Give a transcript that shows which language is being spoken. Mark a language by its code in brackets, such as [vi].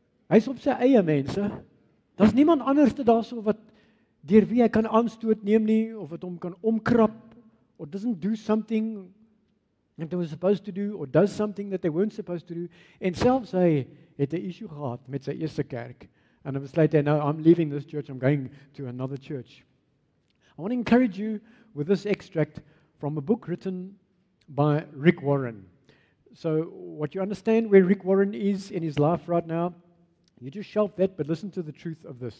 [af] Hy's op sy eie mense. Daar's niemand anders te daarso wat deur wie hy kan aanstoot neem nie, of wat hom kan omkrap, [en] or doesn't do something that they were supposed to do, [af] or does something that they weren't supposed to do. En selfs hy het 'n issue gehad met sy eerste kerk. [en] And it was like, no, I'm leaving this church, I'm going to another church. I want to encourage you with this extract from a book written by Rick Warren. So what you understand where Rick Warren is in his life right now, you just shelf that, but listen to the truth of this.